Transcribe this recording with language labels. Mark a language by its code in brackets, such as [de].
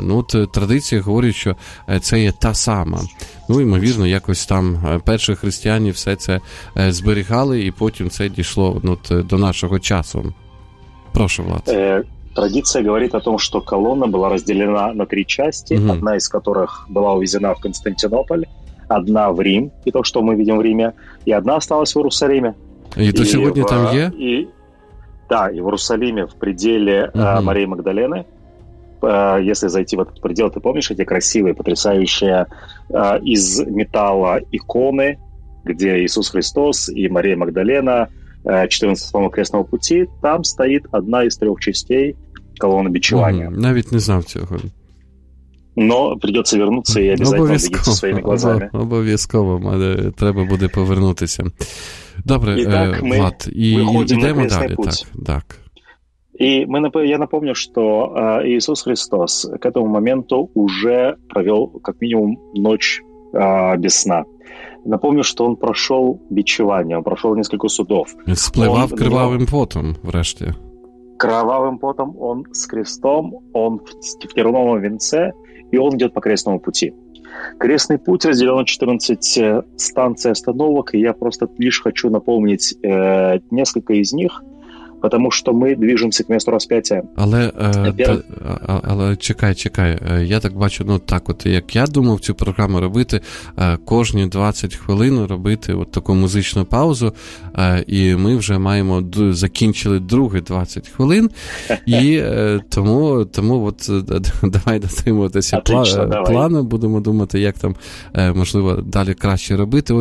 [uk] Ну, от традиція говорить, що це є та сама. Ну, ймовірно, якось там перші християни все це зберігали, і потім це дійшло, ну, до нашого часу. Прошу, Влад. [ru] Традиция говорит о том, что колонна была разделена на три части, угу. одна из которых была увезена в Константинополь, одна в Рим, и то, что мы видим в Риме, и одна осталась в Иерусалиме. И то сегодня там где? Да, и в Иерусалиме, в пределе угу. Марии Магдалены. Если зайти в этот предел, ты помнишь эти красивые, потрясающие из металла иконы, где Иисус Христос и Мария Магдалена, 14-го Слома Крестного Пути, там стоит одна из трех частей колонны бичевания. [uk] Угу. Навіть не знав цього. [ru] Но придется вернуться и обязательно убедиться своими глазами. [uk] Обов'язково, треба буде повернутися. Добре, Влад, йдемо далі. Так. [ru] И мы, я напомню, что Иисус Христос к этому моменту уже провел как минимум ночь без сна. Напомню, что он прошел бичевание, он прошел несколько судов. [uk] Сплевав кровавым потом, врешті. [ru] Кровавым потом он с крестом, он в терновом венце, и он идет по крестному пути. Крестный путь разделен на 14 станций остановок, и я просто лишь хочу напомнить несколько из них. Потому что мы движемся к месту распятия. [uk] Але чекай. Я так бачу, ну так от, як я думав цю програму робити, кожні 20 хвилин робити от таку музичну паузу, і ми вже маємо закінчили другі 20 хвилин, і тому от давай дотримуватися плану, будемо думати, як там можливо далі краще робити.